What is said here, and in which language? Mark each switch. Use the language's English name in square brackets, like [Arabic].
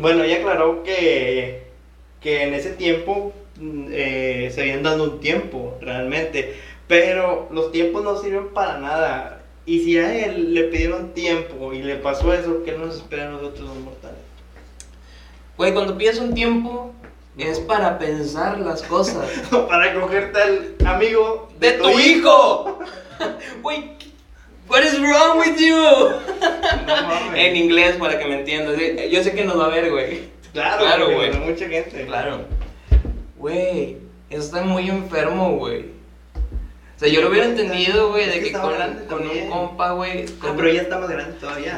[Spanish] Bueno, ella aclaró que en ese tiempo se habían dado un tiempo, realmente. Pero los tiempos no sirven para nada. Y si a él le pidieron tiempo y le pasó eso, ¿qué nos espera a nosotros los mortales? Güey, cuando pides un tiempo, es para pensar las cosas. Para cogerte al amigo de tu hijo. [English] Wey, what is wrong with you? [Spanish] No mames. En inglés, para que me entiendas. Yo sé que nos va a ver, güey. Claro, güey. Mucha gente. Claro. Güey, eso está muy enfermo, güey. O sea, yo lo hubiera entendido, güey, de que con un compa, güey. Pero ya está más grande todavía.